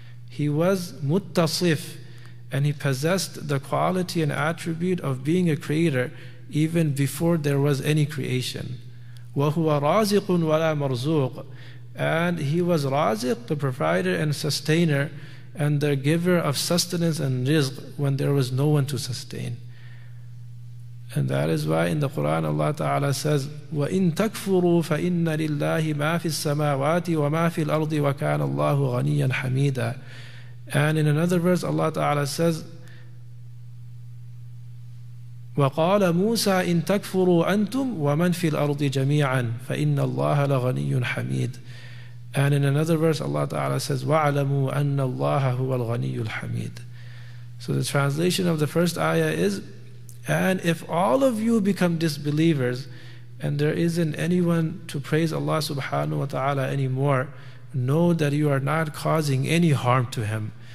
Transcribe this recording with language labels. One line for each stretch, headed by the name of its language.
English: He was muttasif, and he possessed the quality and attribute of being a creator even before there was any creation.
Arabic: Wa huwa raziqun wala marzuq.
English: And he was raziq, the provider and sustainer, and the giver of sustenance and rizq when there was no one to sustain. And that is why in the Quran Allah Ta'ala says,
Arabic: وَإِن تَكْفُرُوا فَإِنَّ لِلَّهِ مَا فِي السَّمَاوَاتِ وَمَا فِي الْأَرْضِ وَكَانَ اللَّهُ غَنِيًّا حَمِيدًا.
English: And in another verse Allah Ta'ala says,
Arabic: وَقَالَ مُوسَى إِن تَكْفُرُوا أَنْتُمْ وَمَنْ فِي الْأَرْضِ جَمِيعًا فَإِنَّ اللَّهَ لَغَنِيٌّ حَمِيدٌ.
English: And in another verse Allah Ta'ala says,
Arabic: وَعْلَمُوا أَنَّ اللَّهَ هُوَ الْغَنِيُّ الْحَمِيدُ.
English: So the translation of the first ayah is, and if all of you become disbelievers and there isn't anyone to praise Allah subhanahu wa ta'ala anymore, know that you are not causing any harm to him.